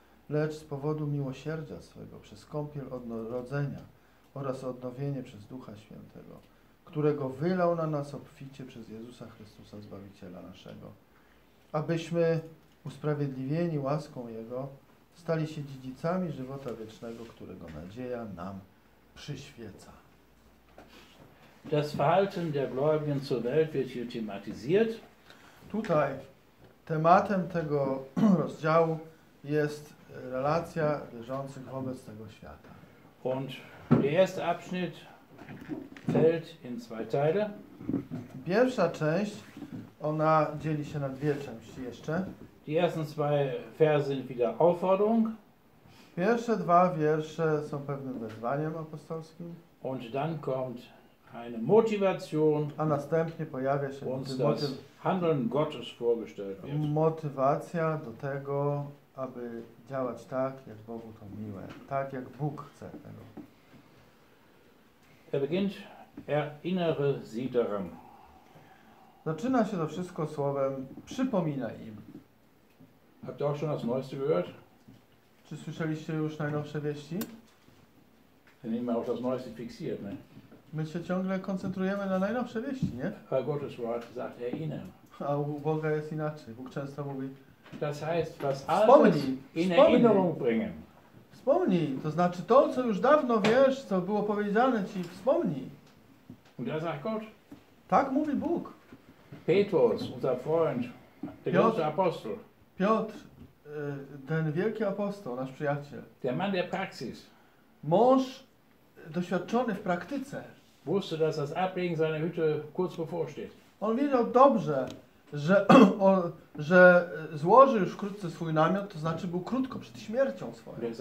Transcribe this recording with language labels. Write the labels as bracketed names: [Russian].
[Polish] lecz z powodu miłosierdzia swego, przez kąpiel odnowienia oraz odnowienie przez Ducha Świętego, którego wylał na nas obficie przez Jezusa Chrystusa, Zbawiciela naszego, abyśmy usprawiedliwieni łaską Jego stali się dziedzicami żywota wiecznego, którego nadzieja nam przyświeca. [German] Das Verhalten der Gläubigen zur Welt wird hier thematisiert. [Polish] Tutaj tematem tego rozdziału jest relacja wierzących wobec tego świata. [German] Und der erste Abschnitt fällt in zwei Teile. [Polish] Pierwsza część, ona dzieli się na dwie części jeszcze. [German] Die ersten zwei Verse sind wieder Aufforderung. [Polish] Pierwsze dwa wiersze są pewnym wezwaniem apostolskim. [German] Und dann kommt eine Motivation. [Polish] A następnie pojawia się [German] das Handeln Gottes vorgestellt wird. [Polish] Motywacja do tego, aby działać tak, jak Bogu to miłe, tak jak Bóg chce tego. [German] Er beginnt, erinnere sie daran. [Polish] Zaczyna się to wszystko słowem przypomina im. [German] Habt ihr auch schon das Neueste gehört? [Polish] Czy słyszeliście już najnowsze wieści? [German] Denn immer auch das Neueste fixiert, ne? [Polish] My się ciągle koncentrujemy na najnowsze wieści, nie? [German] Weil Gottes Wort sagt erinnern. [Polish] A u Boga jest inaczej. Bóg często mówi. [German] Das heißt, was Altes in Erinnerung bringen. [Polish] Wspomnij, to znaczy to, co już dawno wiesz, co było powiedziane ci, wspomnij. [German] Und er sagt Gott. [Polish] Tak mówi Bóg. [German] Petrus, unser Freund, der große Apostel. [Polish] Piotr, ten wielki apostoł, nasz przyjaciel. [German] Der Mann der Praxis. [Polish] Mąż doświadczony w praktyce. [German] Wusste, dass das Ablegen seiner Hütte kurz bevorsteht. [Polish] On wiedział dobrze, że, o, że złoży już wkrótce swój namiot, to znaczy był krótko przed śmiercią swoją.